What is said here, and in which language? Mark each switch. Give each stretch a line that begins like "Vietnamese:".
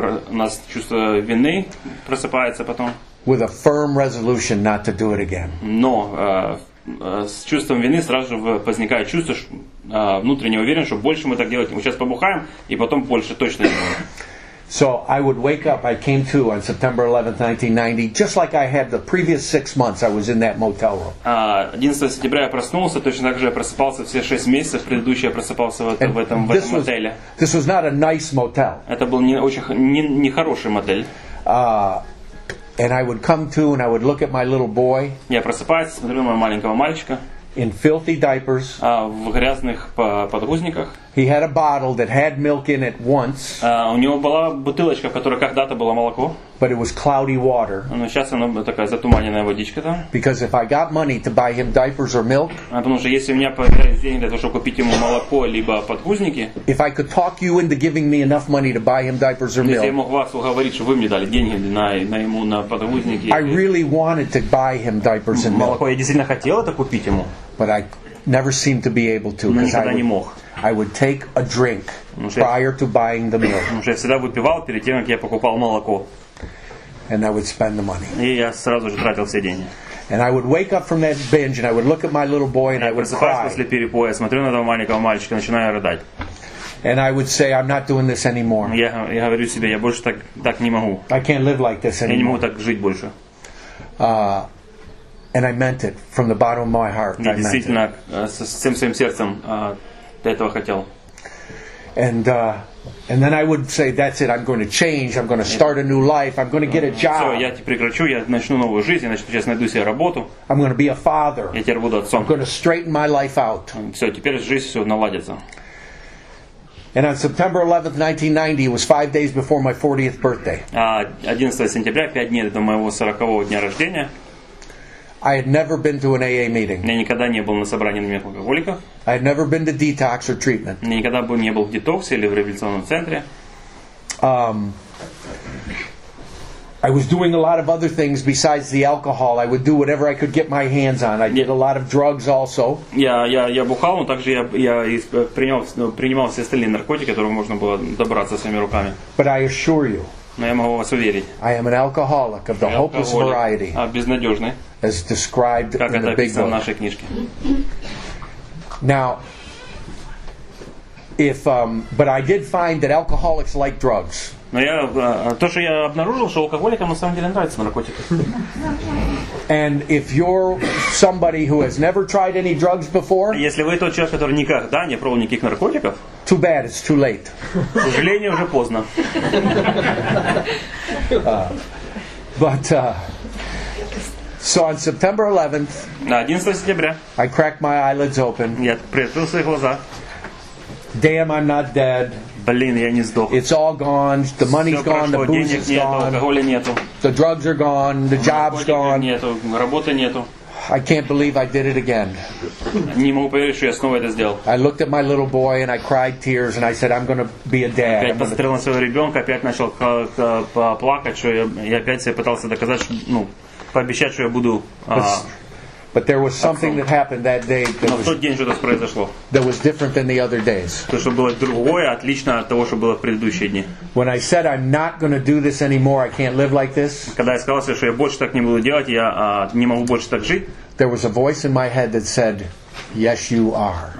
Russian: У нас чувство вины просыпается потом.
English: With a firm resolution not to do it again.
Russian: Но с чувством вины сразу же возникает чувство внутреннего уверенности, что больше мы так делать не будем. Сейчас побухаем, и потом больше точно не будем.
English: So I would wake up, I came to on September 11th, 1990, just like I had the previous 6 months I was in that motel room.
Russian: 11 сентября я проснулся, точно так же я просыпался все 6 месяцев, предыдущие я просыпался в этом мотеле.
English: This was not a nice motel.
Russian: Это был не очень нехороший мотель.
English: And I would come to, and I would look at my little boy.
Russian: Я просыпаюсь, смотрю на моего маленького мальчика.
English: In filthy diapers.
Russian: В грязных подгузниках.
English: He had a bottle that had milk in it once.
Russian: У него была бутылочка, в которой когда-то было молоко.
English: But it was cloudy water.
Russian: Но сейчас оно такая затуманенная водичка там.
English: Because if I got money to buy him diapers or milk.
Russian: Потому что если у меня появились деньги для того, чтобы купить ему молоко либо подгузники.
English: If I could talk you into giving me enough money to buy him diapers or milk.
Russian: Если я мог вас уговорить, чтобы вы мне дали деньги на ему на подгузники.
English: I really wanted to buy him diapers and milk.
Russian: Молоко я действительно хотел это купить ему.
English: But I never seemed to be able to.
Russian: Но никогда не мог.
English: I would take a drink prior to buying the milk.
Russian: Потому что я всегда выпивал перед тем, как я покупал молоко.
English: And I would spend the money.
Russian: И я сразу же тратил все деньги.
English: And I would wake up from that binge and I would look at my little boy and I would cry.
Russian: После перепоя смотрю на этого маленького мальчика, начинаю рыдать.
English: And I would say, I'm not doing this anymore.
Russian: Я говорю себе, я больше так не могу.
English: I can't live like this anymore.
Russian: Я не могу так жить больше.
English: And I meant it from the bottom of my heart.
Russian: Я действительно со всем своим сердцем этого хотел.
English: And then I would say, that's it, I'm going to change, I'm going to start a new life, I'm going to get a job.
Russian: Все, я прекращу, я начну новую жизнь, я сейчас найду себе работу.
English: I'm going to be a father.
Russian: Я теперь буду отцом.
English: I'm going to straighten my life out.
Russian: Все, теперь жизнь все наладится.
English: And on September 11th, 1990, it was 5 days before my 40th birthday.
Russian: 11 сентября, 5 дней до моего 40-го дня рождения.
English: I had never been to an AA meeting.
Russian: Я никогда не был на собрании на алкоголиков.
English: I had never been to detox or treatment.
Russian: Я никогда не был в детоксе или в реабилитационном центре.
English: I was doing a lot of other things besides the alcohol. I would do whatever I could get my hands on. I did a lot of drugs also.
Russian: Я бухал, но также я принимал все остальные наркотики, которые можно было добраться своими руками.
English: But I assure you.
Russian: Но я могу вас уверить.
English: I am an alcoholic of the hopeless variety.
Russian: А безнадежный.
English: As described
Russian: как
English: in the big book.
Russian: В нашей книжке.
English: Now, if but I did find that alcoholics like drugs.
Russian: Но я то, что я обнаружил, что алкоголикам на самом деле нравятся наркотики.
English: And if you're somebody who has never tried any drugs before,
Russian: если вы тот человек, который никогда не пробовал никаких наркотиков,
English: too bad, it's too late.
Russian: К сожалению, уже поздно.
English: So on September 11th,
Russian: 11 сентября,
English: I cracked my eyelids open.
Russian: Я приоткрыл свои глаза.
English: Damn, I'm not dead.
Russian: Блин, я не сдох.
English: It's all gone. The money's
Russian: Все
English: gone.
Russian: Прошло.
English: The booze
Russian: денег
English: is
Russian: нету,
English: gone.
Russian: Алкоголя нету.
English: The drugs are gone. The job's gone.
Russian: Нету. Работы нету.
English: I can't believe I did it again.
Russian: Не могу поверить, что я снова это сделал.
English: I looked at my little boy and I cried tears and I said, I'm going to be a dad.
Russian: Опять посмотрел на своего ребенка, опять начал плакать, что я опять себе пытался доказать, что, ну, пообещать, что я буду
English: But there was something that happened that day that was different than the other days. When I said I'm not going to do this anymore, I can't live like this. There was a voice in my head that said, "Yes, you are."